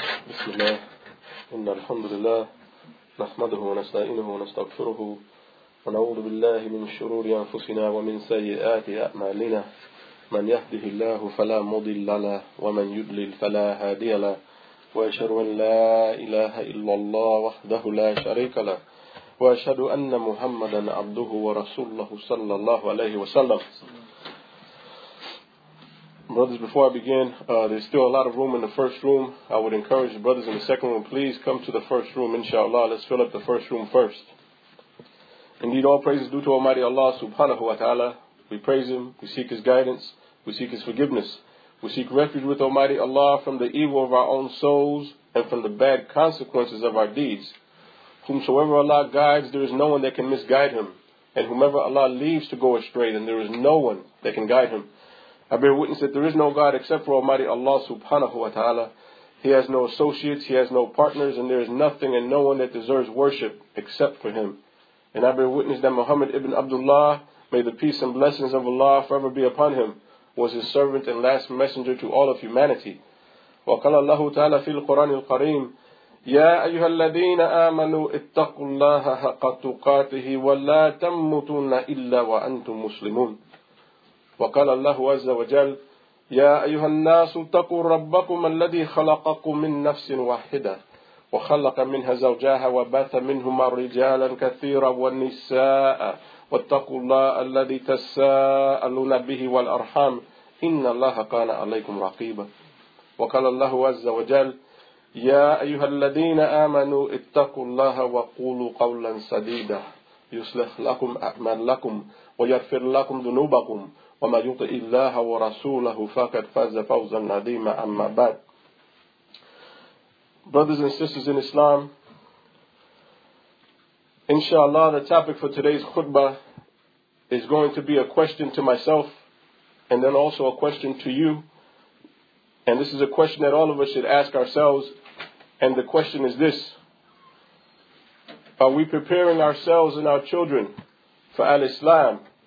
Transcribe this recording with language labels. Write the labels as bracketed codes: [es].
[ar] بسم الله إن الحمد لله نحمده ونستعينه ونستغفره ونعوذ بالله من شرور أنفسنا ومن سيئات أعمالنا من يهده الله فلا مضل له ومن يضلل فلا هادي له وأشهد أن لا إله إلا الله وحده لا شريك له وأشهد أن محمدا عبده ورسوله صلى الله عليه وسلم. [en] Brothers, before I begin, there's still a lot of room in the first room. I would encourage the brothers in the second room, please come to the first room, inshallah. Let's fill up the first room first. Indeed, all praises due to Almighty Allah subhanahu wa ta'ala. We praise Him, we seek His guidance, we seek His forgiveness. We seek refuge with Almighty Allah from the evil of our own souls and from the bad consequences of our deeds. Whomsoever Allah guides, there is no one that can misguide him. And whomever Allah leaves to go astray, then there is no one that can guide him. I bear witness that there is no God except for Almighty Allah subhanahu wa ta'ala. He has no associates, he has no partners, and there is nothing and no one that deserves worship except for him. And I bear witness that Muhammad ibn Abdullah, may the peace and blessings of Allah forever be upon him, was his servant and last messenger to all of humanity. [ar] Wa qala Allah ta'ala fil Qur'an al-Kareem, يَا أَيُّهَا الَّذِينَ آمَنُوا اتَّقُوا اللَّهَ حَقَّ تُقَاتِهِ وَلَا تَمُّتُنَّ إِلَّا وَأَنْتُمْ مُسْلِمُونَ وقال الله عز وجل يا أيها الناس اتقوا ربكم الذي خلقكم من نفس واحدة وخلق منها زوجها وبث منهما رجالا كثيرا والنساء واتقوا الله الذي تساءلون به والأرحام إن الله كان عليكم رقيبا وقال الله عز وجل يا أيها الذين آمنوا اتقوا الله وقولوا قولا سديدا يصلح لكم أعمالكم ويغفر لكم ذنوبكم وَمَا يُطِئِ اللَّهَ وَرَسُولَهُ فَكَدْ فَازَ فَوْزًا عَظِيمًا أَمَّا بَعْدْ. [en] Brothers and sisters in Islam, inshallah, the topic for today's khutbah is going to be a question to myself and then also a question to you. And this is a question that all of us should ask ourselves. And the question is this: are we preparing ourselves and our children for al-Islam?